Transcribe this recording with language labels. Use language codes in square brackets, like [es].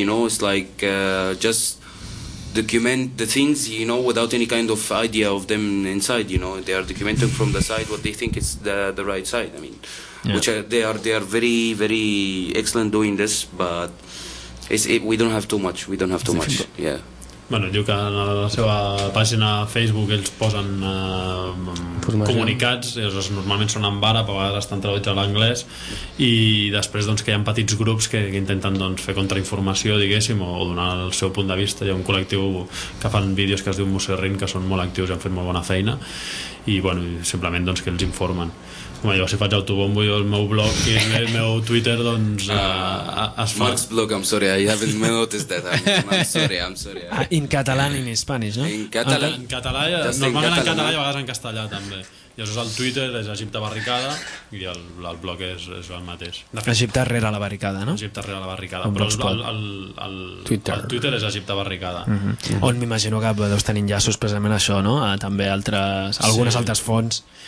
[en] You know, it's like just document the things, you know, without any kind of idea of them inside, you know. They are documenting from the side what they think is the right side, I mean, yeah. Which they are very, very excellent doing this, but we don't have too much, yeah. [ca] Bueno, diu que a la seva pàgina Facebook ells posen comunicats, normalment són en àrab, a vegades estan traduïts a l'anglès, i després doncs, que hi ha petits grups que intenten doncs, fer contrainformació, diguéssim, o donar el seu punt de vista. Hi ha un col·lectiu que fan vídeos que es diu Musarrin, que són molt actius i han fet molt bona feina, i bueno, simplement doncs, que els informen. Home, jo si faig autobombo, jo el meu blog i el meu Twitter, doncs es fa... [en] Mark's blog, I'm sorry, I haven't noticed that. I'm sorry. In català, yeah. In Spanish, no? In català, [ca] normalment en català i a vegades en castellà, també. I això és el Twitter, és Egipte Barricada, i el blog és el mateix. Fet, Egipte rere la barricada, no? Egipte rere la barricada. Però el Twitter. El Twitter és Egipte Barricada. Mm-hmm. Mm-hmm. On m'imagino que deus tenir enllaços precisament a això, no? A també algunes altres fonts.